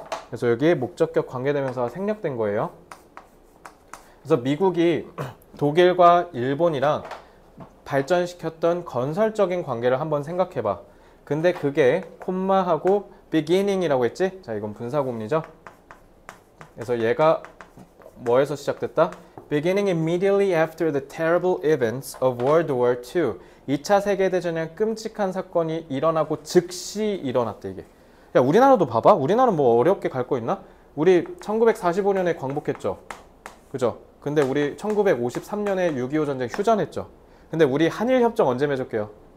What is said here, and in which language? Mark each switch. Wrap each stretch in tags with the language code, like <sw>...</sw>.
<ko>그래서 여기에 목적격 관계대명사가 생략된 거예요. 그래서 미국이 독일과 일본이랑 발전시켰던 건설적인 관계를 한번 생각해봐. 근데 그게 콤마하고 beginning이라고 했지? 자, 이건 분사구문이죠. 그래서 얘가 뭐에서 시작됐다?</ko> <en>Beginning immediately after the terrible events of World War II.</en> <ko>2차 세계대전이란 끔찍한 사건이 일어나고 즉시 일어났대, 이게. 야, 우리나라도 봐봐. 우리나라는 뭐 어렵게 갈거 있나? 우리 1945년에 광복했죠. 그죠? 근데 우리 1953년에 6.25전쟁 휴전했죠. 근데 우리 한일협정 언제 맺을게요?</ko>